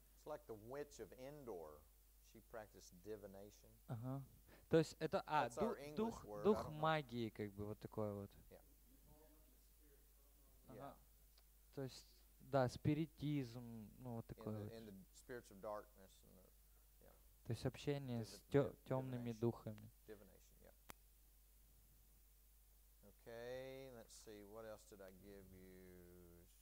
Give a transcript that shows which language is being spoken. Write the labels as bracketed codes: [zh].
[en] It's like the witch of Endor, she practiced divination. Uh-huh. [ru] То есть это, дух магии, как бы, вот такой вот. То есть, да, спиритизм, ну вот такое. То есть общение с темными духами. [en] Divination, yeah. Okay, let's see, what else did I give you?